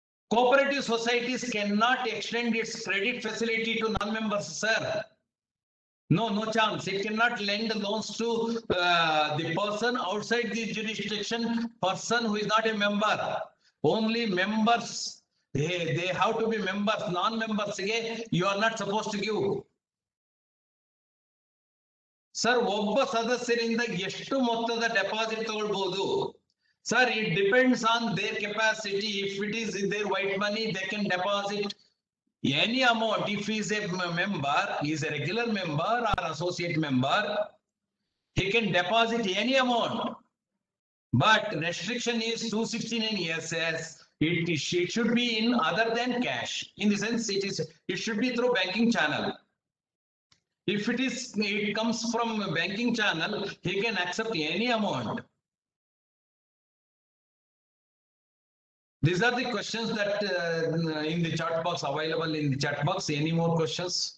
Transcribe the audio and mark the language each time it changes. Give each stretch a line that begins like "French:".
English: Cooperative societies cannot extend its credit facility to non-members, sir. No chance. It cannot lend loans to the person outside the jurisdiction, person who is not a member. Only members. They have to be members. Non-members, you are not supposed to give.
Kannada: Sir, ಒಬ್ಬ ಸದಸ್ಯರಿಂದ ಎಷ್ಟು ಮೊತ್ತದ deposit ತಗೊಳ್ಬಹುದು?
English: Sir, it depends on their capacity. If it is in their white money, they can deposit any amount. If is a member, is a regular member or associate member, he can deposit any amount. But restriction is 269 SS. It should be in other than cash. In the sense, it should be through banking channel. If it comes from a banking channel, he can accept any amount. These are the questions that in the chat box, available in the chat box. Any more questions?